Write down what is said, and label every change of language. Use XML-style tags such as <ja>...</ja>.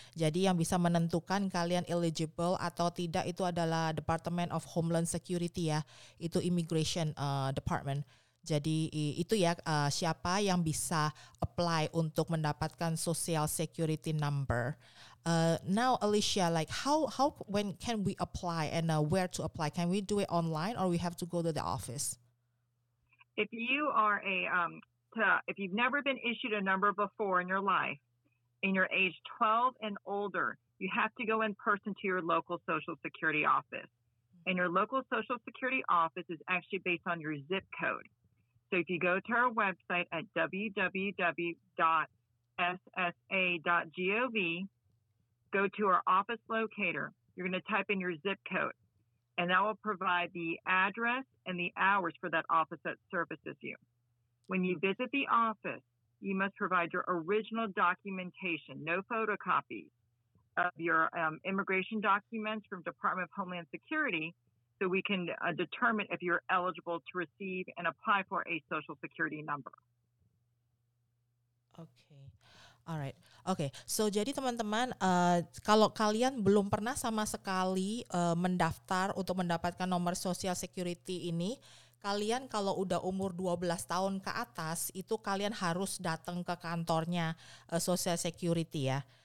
<id>Jadi yang bisa menentukan kalian eligible atau tidak itu adalah Department of Homeland Security ya. Itu Immigration Department. Jadi itu ya siapa yang bisa apply untuk mendapatkan social security number.</id> <en>Now Alicia, like how when can we apply and where to apply? Can we do it online or we have to go to the office? If you are if you've never been issued a number before in your life and you're age 12 and older, you have to go in person to your local social security office. And your local social security office is actually based on your zip code. So if you go to our website at www.ssa.gov, go to our office locator. You're going to type in your zip code, and that will provide the address and the hours for that office that services you. When you visit the office, you must provide your original documentation, no photocopies of your immigration documents from Department of Homeland Security, so we can determine if you're eligible to receive and apply for a social security number. Okay. Alright. Okay.</en> <id>So jadi teman-teman, kalau kalian belum pernah sama sekali mendaftar untuk mendapatkan nomor social security ini, kalian kalau udah umur 12 tahun ke atas, itu kalian harus datang ke kantornya social security ya.</id>